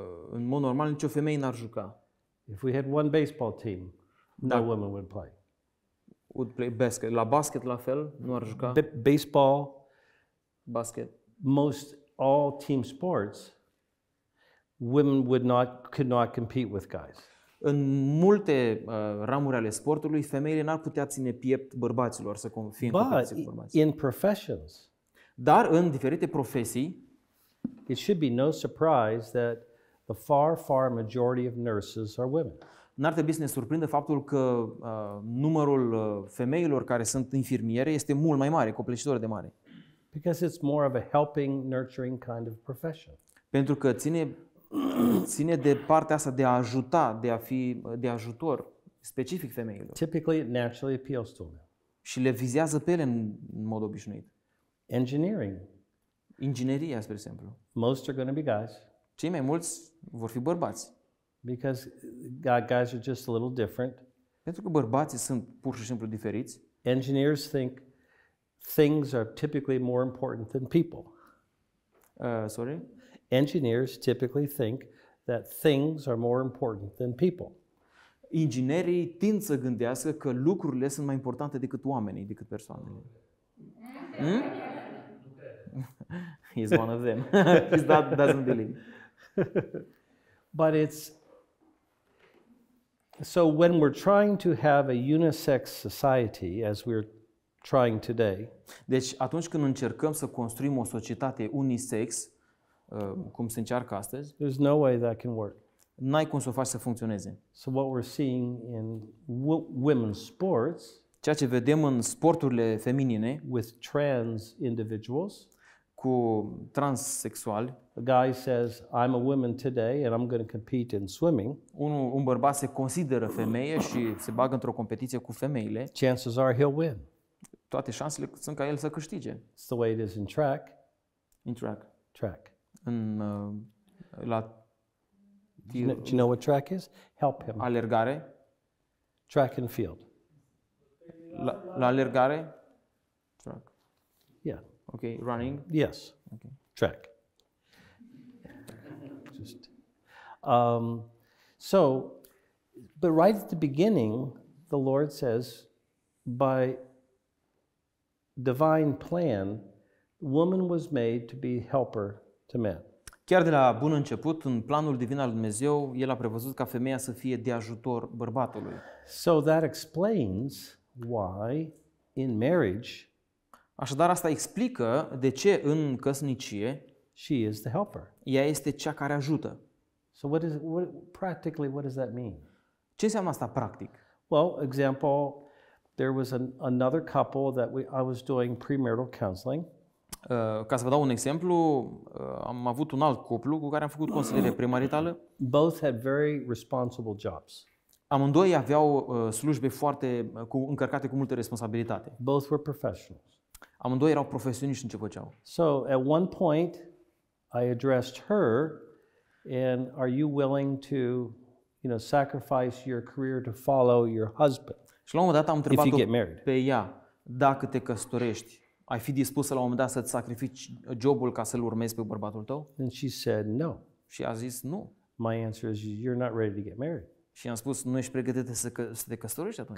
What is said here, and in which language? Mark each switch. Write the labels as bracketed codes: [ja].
[ro] În mod normal nicio femeie n-ar juca. [en] If we had one baseball team, no women would play. Would play basket. [ro] La basket la fel, nu ar juca. [en] Baseball, [ro] basket. [en] Most all team sports, women could not compete with guys. [ro] În multe ramuri ale sportului, femeile n-ar putea ține piept bărbaților să fie în competiție cu bărbații. [en] In professions. [ro] Dar în diferite profesii, [en] it should be no surprise that the far, far majority of nurses are women. [ro] N-ar trebui să ne surprindă faptul că numărul femeilor care sunt infirmiere este mult mai mare, copleșitor de mare. [en] Because it's more of a helping, nurturing kind of profession. [ro] Pentru că ține de partea asta de a ajuta, de a fi de ajutor specific femeilor. [en] Typically, it naturally appeals to them. [ro] Și le vizează pe ele în mod obișnuit. [en] Engineering. [ro] Ingineria, spre exemplu. [en] Most are going to be guys. [ro] Cei mai mulți vor fi bărbați. [en] Because guys are just a little different. [ro] Pentru că bărbații sunt pur și simplu diferiți. [en] Engineers think things are typically more important than people. Sorry? Engineers typically think that things are more important than people. [ro] Inginerii tind să gândească că lucrurile sunt mai importante decât oamenii, decât persoanele. Hmm? [en] He's one of them. He's not, doesn't believe. But it's so when we're trying to have a unisex society as we're trying today. [ro] Deci atunci când încercăm să construim o societate unisex, cum se încearcă astăzi, [en] there's no way that can work. [ro] N-ai cum să o faci să funcționeze. [en] So what we're seeing in women's sports, [ro] ceea ce vedem în sporturile feminine, [en] with trans individuals, [ro] cu transsexuali. [en] A guy says, I'm a woman today and I'm going to compete in swimming. [ro] Un bărbat se consideră femeie și se bagă într-o competiție cu femeile. [en] Chances are he'll win. [ro] Toate șansele sunt ca el să câștige. [en] It's the way it is in track. In track. Track. [ro] În la [en] do you know what track is? Help him. [ro] Alergare. [en] Track and field. [ro] La alergare. [en] Track. Yeah. Okay, running. Yes. Okay. Track. Just so but right at the beginning the Lord says by divine plan woman was made to be helper to man. [ro] Chiar de la bun început în planul divin al Dumnezeu, el a prevăzut ca femeia să fie de ajutor bărbatului. [en] So that explains why in marriage. [ro] Așadar asta explică de ce în căsnicie [en] she is the helper. [ro] Ea este cea care ajută. [en] So what does that mean? [ro] Ce înseamnă asta practic? [en] Well, example, there was another couple that I was doing premarital counseling. [ro] Ca să vă dau un exemplu, am avut un alt cuplu cu care am făcut consiliere premaritală. [en] Both had very responsible jobs. [ro] Amândoi aveau slujbe foarte încărcate cu multe responsabilitate. [en] Both were professionals. [ro] Amândoi erau profesioniști în ce făceau. [en] So at one point I addressed her and are you willing to, you know, sacrifice your career to follow your husband? [ro] Și la un moment dat am întrebat-o pe ea, dacă te căsătorești, ai fi dispusă la un moment dat să-ți sacrifici jobul ca să-l urmezi pe bărbatul tău? [en] And she said no. [ro] Și a zis nu. [en] My answer is you're not ready to get married. [ro] Și am spus nu ești pregătită să te căsătorești atunci.